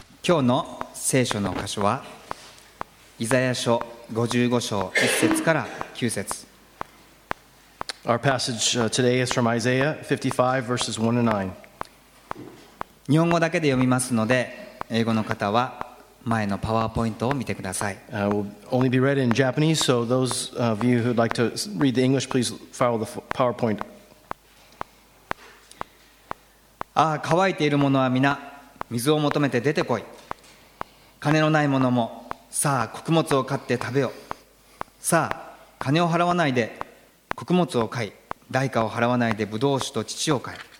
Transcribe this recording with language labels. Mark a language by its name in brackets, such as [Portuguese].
[Japanese] 今日の聖書の箇所はイザヤ書55章1節から9節。 [English] Our passage today is from Isaiah 55 verses 1 and 9. [Japanese] 日本語だけで読みますので、英語の方は前のパワーポイントを見てください。 [English] I will only be read in Japanese, so those of you who'd like to read the English, please follow the PowerPoint. [Japanese] ああ、乾いているものは皆水を求めて出てこい。金のない者もさあ穀物を買って食べよ。さあ金を払わないで穀物を買い、代価を払わないでブドウ酒と乳を買い。